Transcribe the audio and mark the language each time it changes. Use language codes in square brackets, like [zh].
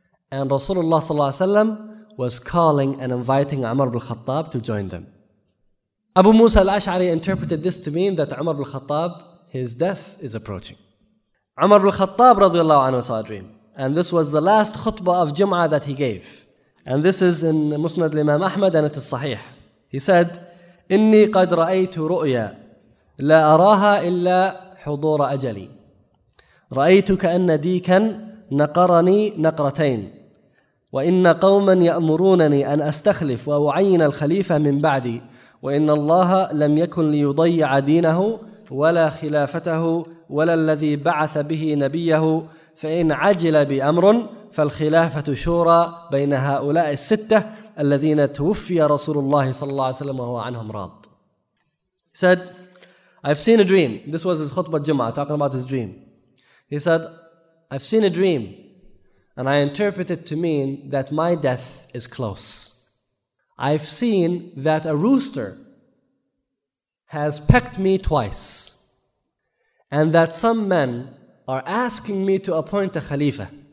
[en] And Rasulullah sallallahu alayhi wa sallam was calling and inviting Umar ibn Khattab to join them. Abu Musa al-Ash'ari interpreted this to mean that Umar ibn Khattab, his death is approaching. Umar ibn Khattab radiallahu anhu saw a dream. And this was the last khutbah of Jum'ah that he gave. And this is in Musnad al-Imam Ahmad and it is Sahih. He said, [ar] إِنِّي قَدْ رَأَيْتُ رُؤْيَا لَا أَرَاهَا إِلَّا حُضُورَ أَجَلِي رَأَيْتُ كَأَنَّ دِيكًا نَقَرَنِي نَقْرَتَيْنِ وإن قوما يأمرونني أن أستخلف وأعين الخليفة من بعدي وإن الله لم يكن ليضيع دينه ولا خلافته ولا الذي بعث به نبيه فإن عجل بأمر فالخلافة شورى بين هؤلاء الستة الذين توفي رسول الله صلى الله عليه وسلم وهو عنهم راض. [en] He said, I've seen a dream. This was his khutbah Jum'ah, talking about his dream. He said, I've seen a dream. And I interpret it to mean that my death is close. I've seen that a rooster has pecked me twice, and that some men are asking me to appoint a khalifa.